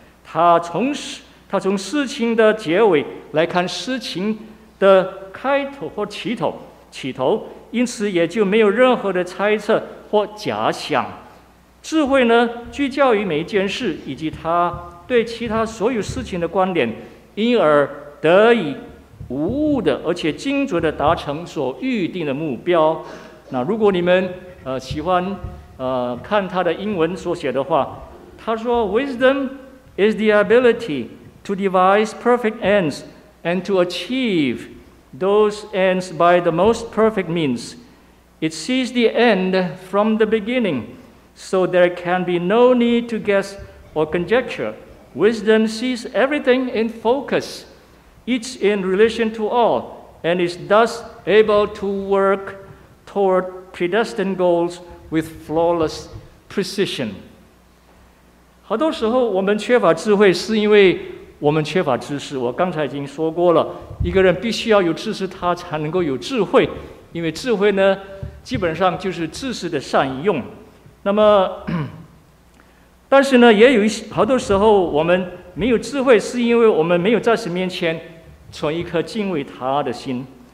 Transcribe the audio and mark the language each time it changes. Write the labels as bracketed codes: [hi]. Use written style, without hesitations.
[zh] 他从事情的结尾来看事情的开头或起头，因此也就没有任何的猜测或假想。智慧呢，聚焦于每一件事以及他对其他所有事情的观点，因而得以无误的而且精准的达成所预定的目标。那如果你们喜欢看他的英文所写的话，他说 [en] Wisdom is the ability to devise perfect ends and to achieve those ends by the most perfect means. It sees the end from the beginning, so there can be no need to guess or conjecture. Wisdom sees everything in focus, each in relation to all, and is thus able to workToward predestined goals with flawless precision. [zh] 好多时候我们缺乏智慧是因为我们缺乏知识。我刚才已经说过了，一个人必须要有知识他才能够有智慧，因为智慧呢基本上就是知识的善用。那么但是呢也有一些好多时候我们没有智慧是因为我们没有在神面前存一颗敬畏他的心。